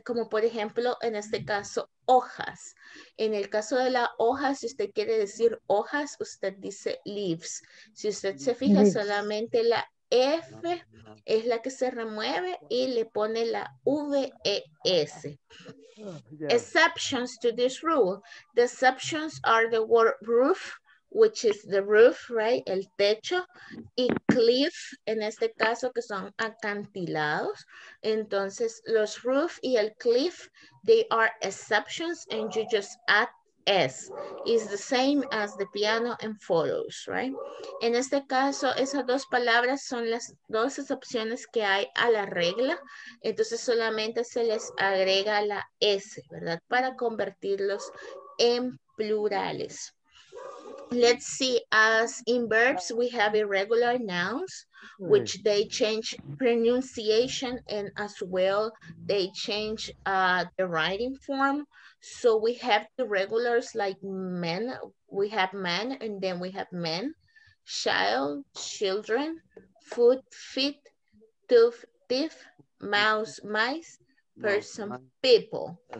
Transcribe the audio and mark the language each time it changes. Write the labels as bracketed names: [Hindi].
[Spanish] Como por ejemplo, en este caso, hojas. En el caso de la hoja, si usted quiere decir hojas, usted dice leaves. Si usted se fija, leaves. Solamente la F es la que se remueve y le pone la VES. [English] Exceptions to this rule. The exceptions are the word roof, which is the roof, right? [Spanish] El techo. Y cliff, en este caso, que son acantilados. Entonces, los roof y el cliff, [English] they are exceptions, and you just add S. It's the same as the piano and photos, right? [Spanish] En este caso, esas dos palabras son las dos excepciones que hay a la regla. Entonces, solamente se les agrega la S, ¿verdad? Para convertirlos en plurales. [English] Let's see, as in verbs, we have irregular nouns, which they change pronunciation and as well, they change the writing form. So we have the regulars like men, we have men, and then we have men, child, children, foot, feet, tooth, teeth, mouse, mice, person, people.